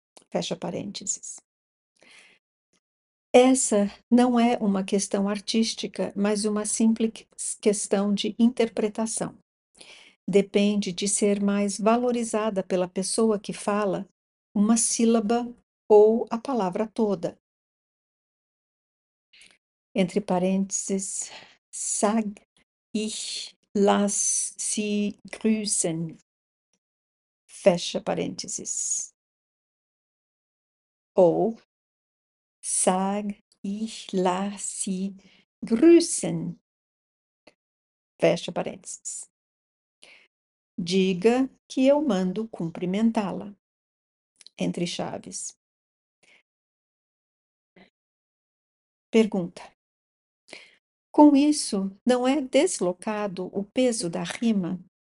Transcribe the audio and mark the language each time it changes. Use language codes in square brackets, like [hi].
[pt] Fecha parênteses. Essa não é uma questão artística, mas uma simples questão de interpretação. Depende de ser mais valorizada pela pessoa que fala uma sílaba ou a palavra toda. Entre parênteses, [de] sag ich lass sie grüßen. [pt] Fecha parênteses. [de] Ou sag ich lass sie grüßen. [pt] Fecha parênteses. Diga que eu mando cumprimentá-la. entre chaves. Pergunta. Com isso, não é deslocado o peso da rima?